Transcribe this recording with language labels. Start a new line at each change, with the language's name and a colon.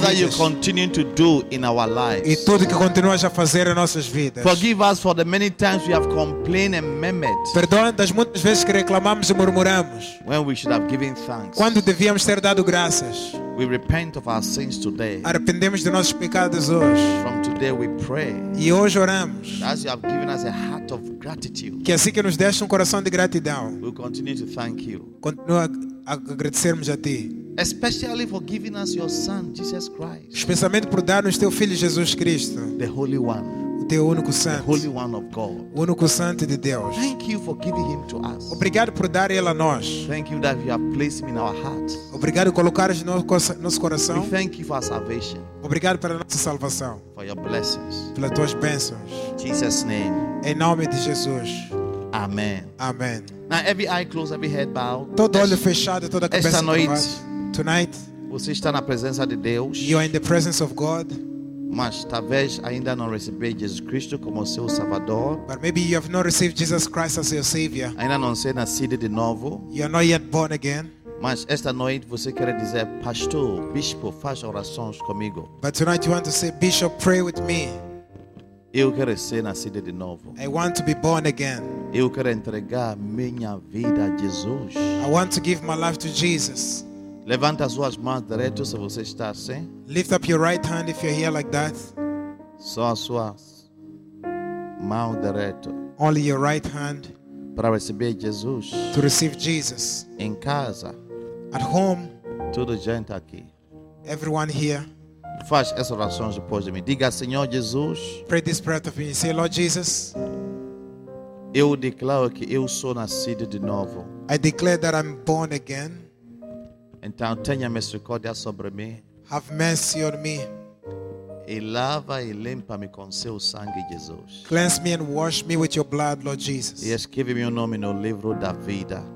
English: that you continue to do in our lives.
Portuguese: E tudo que continuas a fazer em nossas vidas.
English: Forgive us for the many times we have complained and murmured.
Portuguese: Perdoa das muitas vezes que reclamamos e murmuramos.
English: When we should have given thanks.
Portuguese: Quando devíamos ter dado graças.
English: We repent of our sins today.
Portuguese: Arrependemos de nossos pecados hoje.
English: From today we pray.
Portuguese: E hoje oramos.
English: As you have given us a heart of gratitude.
Portuguese: Que assim que nos deste coração de gratidão.
English: We continue to thank you.
Portuguese: Continua a agradecermos a ti.
English: Especially for giving us your son Jesus Christ.
Portuguese: Especialmente por dar-nos teu filho Jesus Cristo.
English: The Holy One.
Portuguese: O teu único santo.
English: The Holy One of God.
Portuguese: O único santo de Deus.
English: Thank you for giving him to us.
Portuguese: Obrigado por dar ele a nós.
English: Thank you that you have placed him in our heart.
Portuguese: Obrigado por colocares no nosso coração.
English: We thank you for our salvation.
Portuguese: Obrigado pela nossa salvação.
English: For your blessings.
Portuguese: Pelas tuas bênçãos.
English: Jesus name.
Portuguese: Em nome de Jesus.
English: Amen.
Portuguese: Amen.
English: Now every eye closed, every head bowed.
Portuguese: Todo olho fechado, toda cabeça curvada. Esta noite,
English: tonight,
Portuguese: você está na presença de Deus.
English: You are in the presence of God.
Portuguese: Mas talvez ainda não recebeu Jesus Cristo como seu Salvador.
English: But maybe you have not received Jesus Christ as your Savior.
Portuguese: Ainda não sei nascido de novo.
English: You are not yet born again.
Portuguese: Mas esta noite você quer dizer, Pastor, Bispo, faz orações comigo.
English: But tonight you want to say, Bishop, pray with me.
Portuguese: Eu quero ser nascido de novo.
English: I want to be born again.
Portuguese: Eu quero entregar minha vida a Jesus.
English: I want to give my life to Jesus.
Portuguese: Levanta as suas mãos direto se você está assim.
English: Lift up your right hand if you're here like that.
Portuguese: Só as suas mãos direto.
English: Only your right hand.
Portuguese: Para receber Jesus.
English: To receive Jesus.
Portuguese: Em casa.
English: At home.
Portuguese: Todo gente aqui.
English: Everyone here.
Portuguese: Faz essa oração depois de mim. Diga, Senhor Jesus.
English: Pray this prayer to me. Say, Lord Jesus.
Portuguese: Eu declaro que eu sou nascido de novo.
English: I declare that I'm born again.
Portuguese: Então tenha misericórdia sobre mim.
English: Have mercy on me.
Portuguese: E lava e limpa-me com seu sangue, Jesus.
English: Cleanse me and wash me with your blood, Lord Jesus.
Portuguese: E escreve meu nome no livro da vida.